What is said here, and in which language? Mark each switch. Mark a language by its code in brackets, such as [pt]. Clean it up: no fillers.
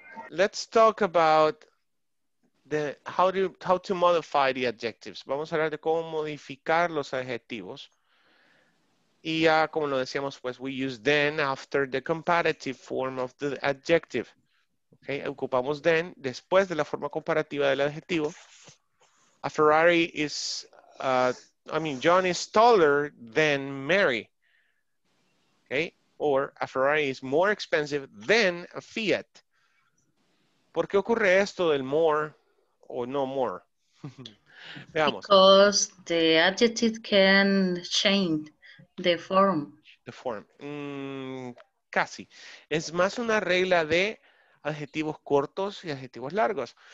[en] Let's talk about the how to modify the adjectives. [es] Vamos a hablar de cómo modificar los adjetivos. Y ya, como lo decíamos, pues, [en] we use then after the comparative form of the adjective. Okay. [es] Ocupamos then después de la forma comparativa del adjetivo. [en] A Ferrari is, John is taller than Mary. Okay, or a Ferrari is more expensive than a Fiat. [es] ¿Por qué ocurre esto del more o no more? Veamos. [en] Because the adjective can change the form. The form. [es] Casi. Es más una regla de adjetivos cortos y adjetivos largos.